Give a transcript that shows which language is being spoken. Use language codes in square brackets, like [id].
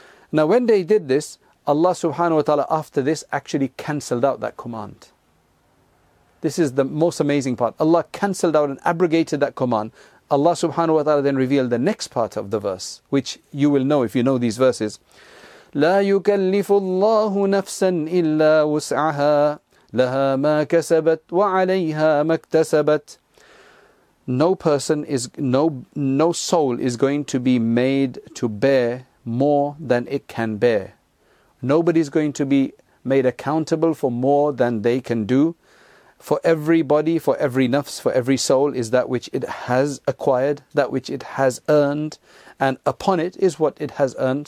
[en] Now, when they did this, Allah subhanahu wa ta'ala, after this, actually cancelled out that command. This is the most amazing part. Allah cancelled out and abrogated that command. Allah subhanahu wa ta'ala then revealed the next part of the verse, which you will know if you know these verses. [ar] لا يكلف الله نفسا إلا وسعها لها ما كسبت وعليها ما اكتسبت. [en] No soul is going to be made to bear more than it can bear. Nobody is going to be made accountable for more than they can do. For everybody, for every nafs, for every soul is that which it has acquired, that which it has earned, and upon it is what it has earned.